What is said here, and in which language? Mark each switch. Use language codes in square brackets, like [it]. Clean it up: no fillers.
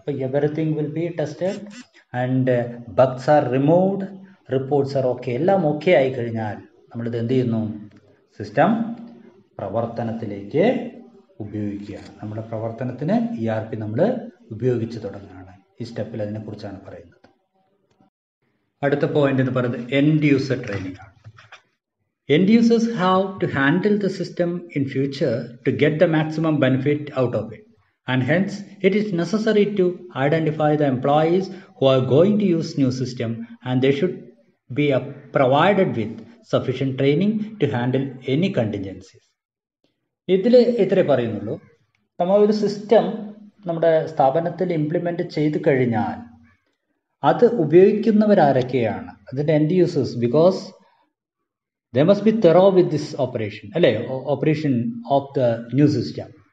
[ml] അപ്പോൾ [en] everything will be tested and bugs are removed, reports are okay, [ml] എല്ലാം okay ആയി കഴിഞ്ഞാൽ നമ്മളിത് എന്ത് ചെയ്യുന്നു, സിസ്റ്റം പ്രവർത്തനത്തിലേക്ക് ഉപയോഗിക്കുക, നമ്മുടെ പ്രവർത്തനത്തിന് ERP നമ്മൾ ഉപയോഗിച്ച് തുടങ്ങുകയാണ്. ഈ സ്റ്റെപ്പിൽ അതിനെക്കുറിച്ചാണ് പറയുന്നത്. അടുത്ത പോയിന്റ് എന്ന് പറയുന്നത് എൻഡ് യൂസർ ട്രെയിനിങ് ആണ്. [en] End users have to handle the system in future to get the maximum benefit out of it, and hence it is necessary to identify the employees who are going to use new system, and they should be provided with sufficient training to handle any contingencies. [ml] ഇതിലെ ഇത്രേ പറയുന്നുള്ളൂ, നമ്മൾ ഒരു system നമ്മുടെ സ്ഥാപനത്തിൽ implement ചെയ്തു കഴിഞ്ഞാൽ അത് ഉപയോഗിക്കുന്നവരാരൊക്കെയാണ് അതിൻ്റെ end users, because [en] They must be thorough with this operation, [ml] അല്ലേ, [en] operation of the new system.